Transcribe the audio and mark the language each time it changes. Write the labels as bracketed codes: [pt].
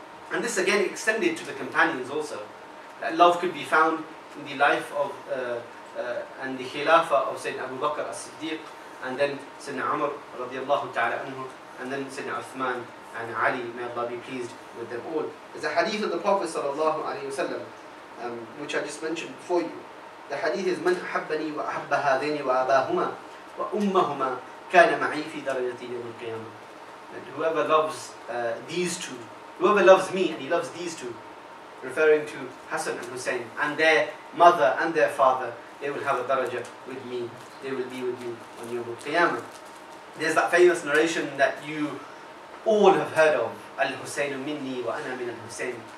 [en] And this again extended to the companions also. That love could be found in the life of and the Khilafah of Sayyidina Abu Bakr as-Siddiq, and then Sayyidina Umar radiallahu ta'ala anhu, and then Sayyidina Uthman and Ali, may Allah be pleased with them all. There's a hadith of the Prophet sallallahu alayhi wa sallam, which I just mentioned for you. The hadith is, [ar] مَنْ أَحَبَّنِي وَأَحَبَّ هَذَيْنِ وَأَبَاهُمَا وَأُمَّهُمَا كَانَ مَعِي فِي دَرَجَةِ يَوْمِ الْقِيَامَةِ. [en] Whoever loves these two, whoever loves me and he loves these two, referring to Hassan and Hussein and their mother and their father, they will have a daraja with me. They will be with me on Yawm al-Qiyamah. There's that famous narration that you all have heard of. [ar] Al-Husayn minni wa ana min al-Husayn.